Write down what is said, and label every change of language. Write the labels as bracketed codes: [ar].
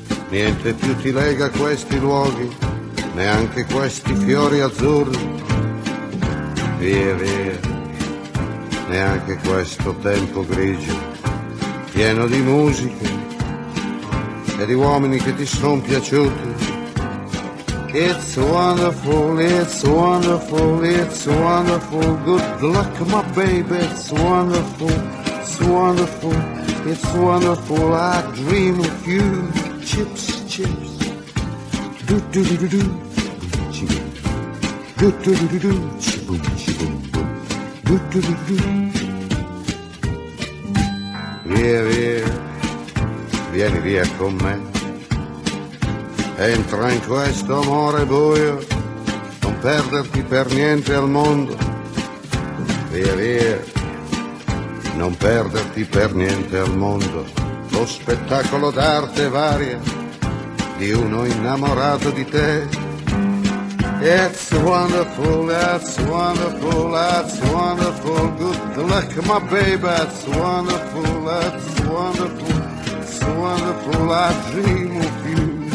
[it] Niente più ti lega a questi luoghi, neanche questi fiori azzurri. Via, via, neanche questo tempo grigio, pieno di musiche e di uomini che ti sono piaciuti. [en] It's wonderful, it's wonderful, it's wonderful. Good luck, my baby, it's wonderful, it's wonderful, it's wonderful. I dream of you, chips, chips. Do do do do do, chips. Do do do do do, chips, chips. [it] Do do do do do. Via, via, vieni via con me. Entra in questo amore buio, non perderti per niente al mondo. Via, via, non perderti per niente al mondo. Lo spettacolo d'arte varia di uno innamorato di te. [en] It's wonderful, that's wonderful, that's wonderful. Good luck, my baby, that's wonderful, that's wonderful, it's wonderful, I dream of you.